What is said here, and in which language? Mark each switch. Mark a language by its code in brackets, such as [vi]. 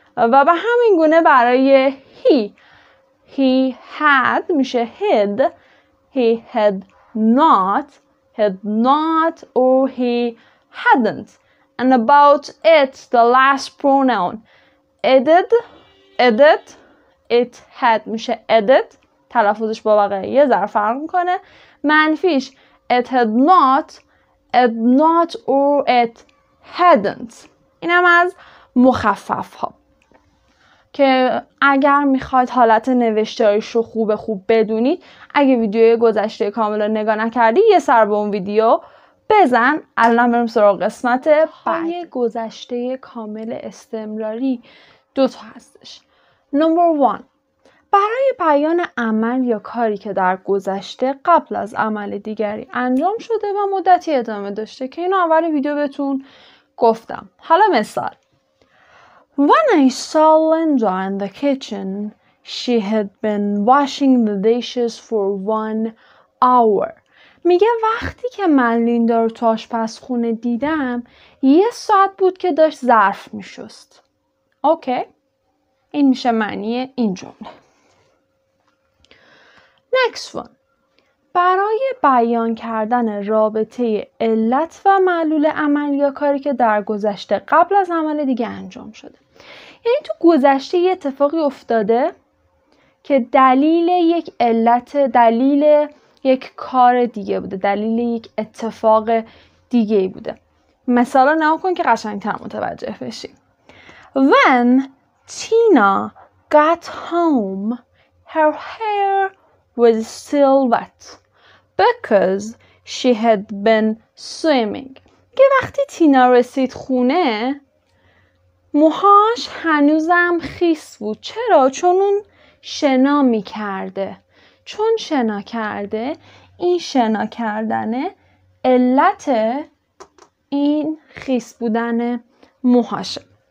[fa] و به همین گونه برای he had میشه hid. [en] He had not, had not or he hadn't. And about it, the last pronoun, it did, it had میشه edit. [fa] تلفظش با بقیه ظرف فرق میکنه. منفیش [en] it had not, had not or it hadn't. [fa] اینم از مخفف ها که اگر میخواید حالت نوشتاریش رو خوب خوب بدونید، اگه ویدیو گذشته کامل رو نگاه نکردی یه سر به اون ویدیو بزن. الان بریم سراغ قسمت بعد. های گذشته کامل استمراری دوتا هستش. نمبر 1، برای بیان عمل یا کاری که در گذشته قبل از عمل دیگری انجام شده و مدتی ادامه داشته، که اینو اول ویدیو بهتون گفتم. حالا مثال: [en] When I saw Linda in the kitchen, she had been washing the dishes for 1 hour. [fa] میگه وقتی که من لیندا رو تو آشپزخونه دیدم، یه ساعت بود که داشت ظرف میشست. اوکی؟ این میشه معنی این جمله. [en] Next one. [fa] برای بیان کردن رابطه علت و معلول عمل یا کاری که در گذشته قبل از عمل دیگه انجام شده. یعنی تو گذشته یه اتفاقی افتاده که دلیل یک علت، دلیل یک کار دیگه بوده، دلیل یک اتفاق دیگه بوده. مثلا نگاه کن که قشنگ‌تر متوجه بشی. [en] When Tina got home, her hair was still wet because she had been swimming. [fa] که وقتی تینا رسید خونه، موهاش هنوزم خیس بود. چرا؟ چون اون شنا می کرده. چون شنا کرده، این شنا کردنه علت این خیس بودن موهاشه.